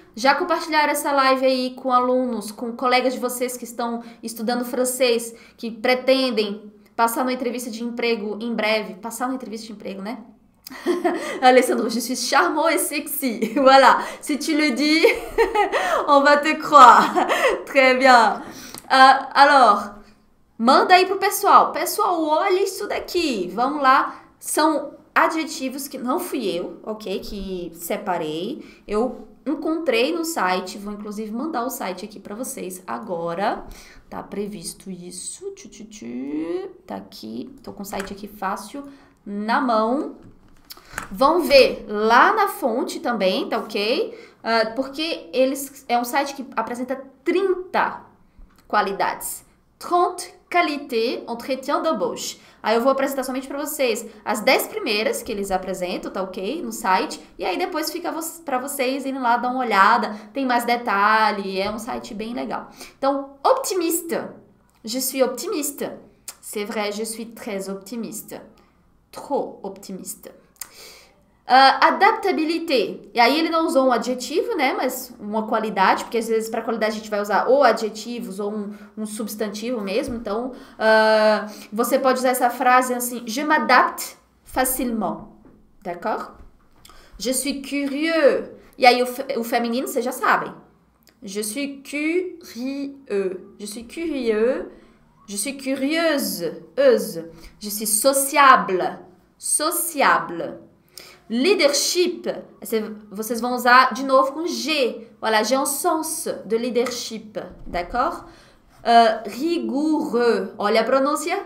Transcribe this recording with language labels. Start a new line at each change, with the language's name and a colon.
Portuguese: Já compartilharam essa live aí com alunos, com colegas de vocês que estão estudando francês, que pretendem passar uma entrevista de emprego em breve. Passar uma entrevista de emprego, né?
French: Alessandro, je suis charmant et sexy. Voilà, si tu le dis, on va te croire. Très bien.
Portuguese: Alors, manda aí pro pessoal. Pessoal, olha isso daqui. Vamos lá. São adjetivos que não fui eu, ok? Que separei. Eu encontrei no site. Vou inclusive mandar o site aqui para vocês agora. Tá previsto isso. Tá aqui. Tô com o site aqui fácil na mão. Vão ver lá na fonte também, tá ok? Porque eles é um site que apresenta 30 qualidades.
French: 30 qualités, entretien d'embauche.
Portuguese: Aí eu vou apresentar somente para vocês as 10 primeiras que eles apresentam, tá ok? No site. E aí depois fica para vocês irem lá dar uma olhada. Tem mais detalhe, é um site bem legal. Então, optimista.
French: Je suis optimiste. C'est vrai, je suis très optimiste. Trop optimiste. Adaptabilité.
Portuguese: E aí ele não usou um adjetivo, né? Mas uma qualidade, porque às vezes para qualidade a gente vai usar ou adjetivos ou um substantivo mesmo. Então, você pode usar essa frase assim:
French: Je m'adapte facilement. D'accord? Je suis curieux.
Portuguese: E aí o feminino, vocês já sabem.
French: Je suis curieux. Je suis curieux. Je suis curieuse. Euse. Je suis sociable. Sociable.
Portuguese: Leadership, vocês vão usar de novo com G.
French: Voilà, j'ai un sens de leadership, d'accord?
Portuguese: Rigoureux, olha a pronúncia.